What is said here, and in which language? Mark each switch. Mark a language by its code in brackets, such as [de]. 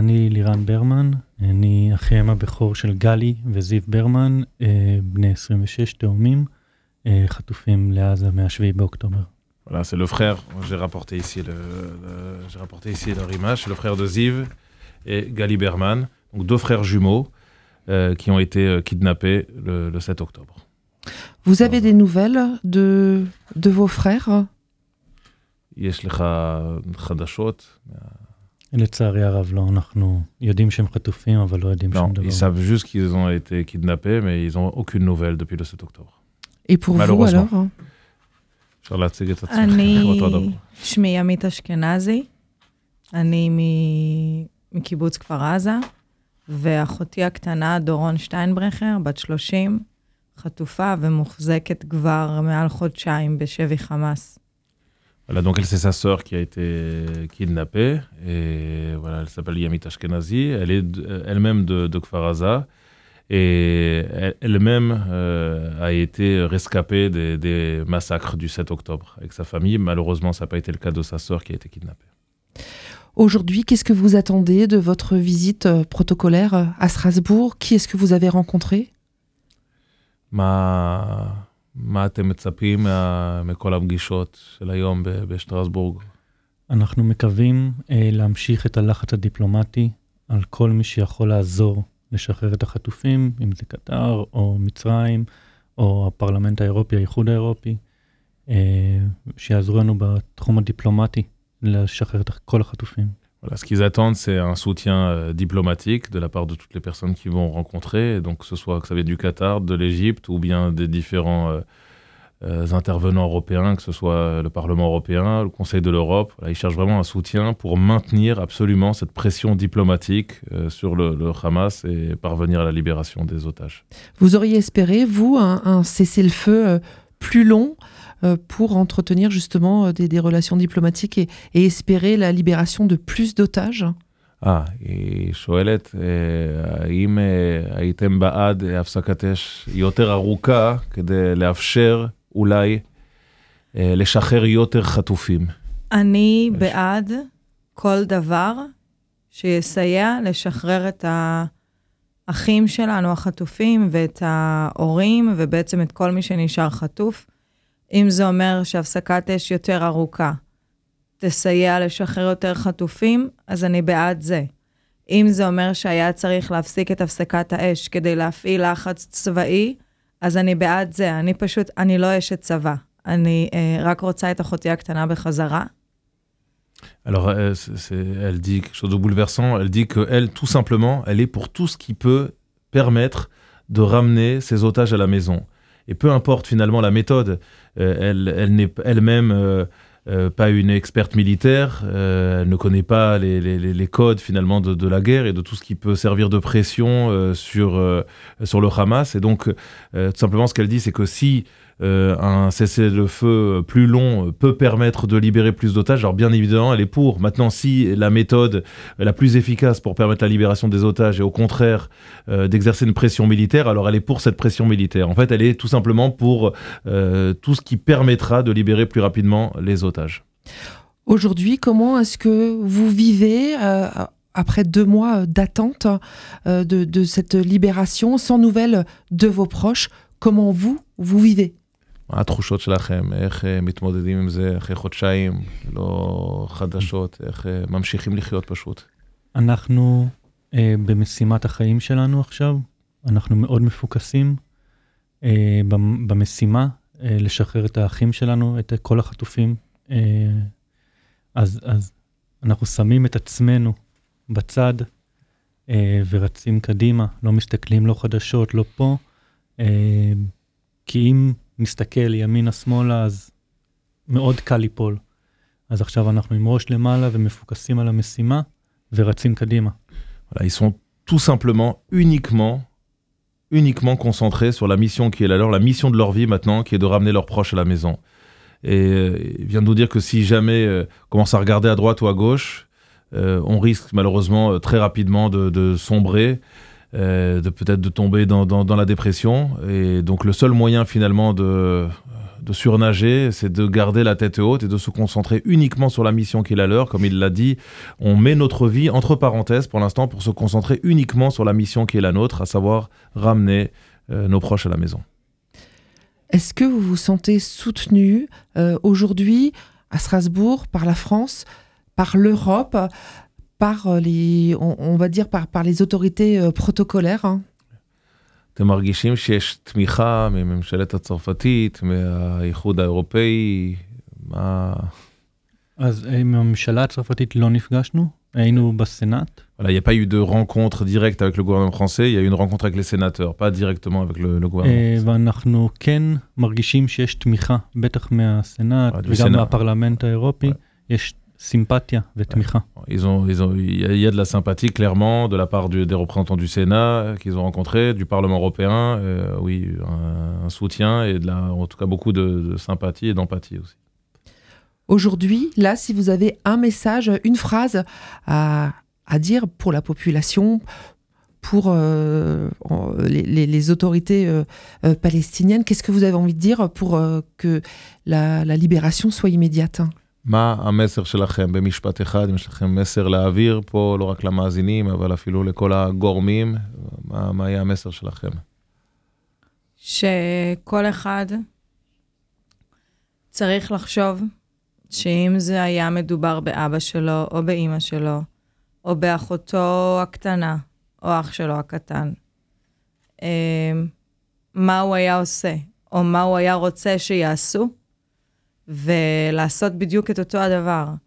[he] Liran Berman, אני אחיהם הבכור של גלי וזיו ברמן, בני 26, תאומים, חטופים לעזה מ-7 באוקטובר. [fr] Voilà, c'est le frère. J'ai rapporté ici leur image. C'est le frère de Ziv et Gali Berman, donc deux frères jumeaux qui ont été kidnappés le 7 octobre. Vous avez des nouvelles de vos frères? [he] יש לך חדשות? לצערי הרב לא, אנחנו יודעים שהם חטופים, אבל לא יודעים שום דבר. [fr] Ils savent juste qu'ils ont été kidnappés, mais ils n'ont aucune nouvelle depuis le 7 octobre. Et pour vous alors? [he] אני שמי ימית אשכנזי, אני מקיבוץ כפר עזה, ואחותי הקטנה דורון שטיינברכר, בת 30, חטופה ומוחזקת כבר מעל חודשיים בשבי חמאס. [fr] Voilà, donc elle, c'est sa sœur qui a été kidnappée, et voilà, elle s'appelle Yamit Ashkenazi, elle est elle-même de Kfar Aza, et elle-même a été rescapée des massacres du 7 octobre avec sa famille. Malheureusement, ça n'a pas été le cas de sa sœur qui a été kidnappée. Aujourd'hui, qu'est-ce que vous attendez de votre visite protocolaire à Strasbourg? Qui est-ce que vous avez rencontré? [he] מה אתם מצפים מכל הפגישות של היום בשטרסבורג? אנחנו מקווים להמשיך את הלחץ הדיפלומטי על כל מי שיכול לעזור לשחרר את החטופים, אם זה קטר או מצרים או הפרלמנט האירופי, האיחוד האירופי, שיעזרו לנו בתחום הדיפלומטי לשחרר את כל החטופים. [fr] Voilà, ce qu'ils attendent, c'est un soutien diplomatique de la part de toutes les personnes qu'ils vont rencontrer, donc que ça vienne du Qatar, de l'Égypte ou bien des différents intervenants européens, que ce soit le Parlement européen, le Conseil de l'Europe. Voilà, ils cherchent vraiment un soutien pour maintenir absolument cette pression diplomatique sur le Hamas et parvenir à la libération des otages. Vous auriez espéré, vous, un cessez-le-feu plus long pour entretenir justement des relations diplomatiques et espérer la libération de plus d'otages? [he] Ah, שואלת, האם הייתם בעד הפסקת אש יותר ארוכה כדי לאפשר אולי לשחרר יותר חטופים? אני בעד כל דבר שיסייע לשחרר את האחים שלנו החטופים ואת ההורים ובעצם את כל מי שנשאר חטוף. אם זה אומר שהפסקת אש יותר ארוכה תסייע לשחרר יותר חטופים, אז אני בעד זה. אם זה אומר שהיה צריך להפסיק את הפסקת האש כדי להפעיל לחץ צבאי, אז אני בעד זה. אני לא אשת צבא. אני רק רוצה את אחותי הקטנה בחזרה. [fr] Alors, elle dit quelque chose de bouleversant. Elle dit qu'elle, tout simplement, elle est pour tout ce qui peut permettre de ramener ses otages à la maison. Et peu importe finalement la méthode, elle n'est elle-même pas une experte militaire, elle ne connaît pas les codes finalement de la guerre et de tout ce qui peut servir de pression sur le Hamas. Et donc, tout simplement, ce qu'elle dit, c'est que si un cessez-le-feu plus long peut permettre de libérer plus d'otages, alors bien évidemment, elle est pour. Maintenant, si la méthode la plus efficace pour permettre la libération des otages est au contraire d'exercer une pression militaire, alors elle est pour cette pression militaire. En fait, elle est tout simplement pour tout ce qui permettra de libérer plus rapidement les otages. Aujourd'hui, comment est-ce que vous vivez après deux mois d'attente de cette libération, sans nouvelles de vos proches? Comment vous vivez? [he] מה התחושות שלכם? איך מתמודדים עם זה אחרי חודשיים? לא חדשות? איך ממשיכים לחיות פשוט? אנחנו במשימת החיים שלנו עכשיו. אנחנו מאוד מפוקסים. במשימה לשחרר את האחים שלנו, את כל החטופים. אז אנחנו שמים את עצמנו בצד ורצים קדימה, לא מסתכלים, לא חדשות, לא פה, כי אם נסתכל ימינה שמאלה, אז מאוד קל ליפול. אז עכשיו אנחנו עם ראש למעלה ומפוקסים על המשימה ורצים קדימה. [fr] Ils sont tout simplement, uniquement concentrés sur la mission qui est la leur, la mission de leur vie maintenant, qui est de ramener leurs proches à la maison. Et ils viennent nous dire que si jamais commencent à regarder à droite ou à gauche, on risque malheureusement très rapidement de sombrer, de peut-être de tomber dans la dépression. Et donc le seul moyen finalement de surnager, c'est de garder la tête haute et de se concentrer uniquement sur la mission qui est la leur. Comme il l'a dit, on met notre vie entre parenthèses pour l'instant pour se concentrer uniquement sur la mission qui est la nôtre, à savoir ramener nos proches à la maison. Est-ce que vous vous sentez soutenu aujourd'hui à Strasbourg par la France, par l'Europe, par les autorités protocolaires, hein? [he] אתם מרגישים שיש תמיכה מממשלת הצרפתית, מהאיחוד האירופאי? מה? אז עם הממשלה הצרפתית לא נפגשנו, היינו בסנאט. [fr] Voilà, il y a pas eu de rencontre directe avec le gouvernement français, il y a eu une rencontre avec les sénateurs, pas directement avec le gouvernement. [he] ואנחנו כן מרגישים שיש תמיכה, בטח מהסנאט וגם מהפרלמנט האירופי, יש [fr] sympathie et tmicha. Ils ont il y a de la sympathie clairement de la part des représentants du Sénat qu'ils ont rencontré, du Parlement européen, un soutien et de la, en tout cas beaucoup de sympathie et d'empathie aussi. Aujourd'hui, là, si vous avez un message, une phrase à dire pour la population, pour les autorités palestiniennes, qu'est-ce que vous avez envie de dire pour que la libération soit immédiate? [he] מה המסר שלכם במשפט אחד, אם יש לכם מסר להעביר פה, לא רק למאזינים, אבל אפילו לכל הגורמים, מה יהיה המסר שלכם? שכל אחד צריך לחשוב שאם זה היה מדובר באבא שלו, או באמא שלו, או באחותו הקטנה, או אח שלו הקטן, מה הוא היה עושה, או מה הוא היה רוצה שיעשו, ולעשות בדיוק את אותו הדבר.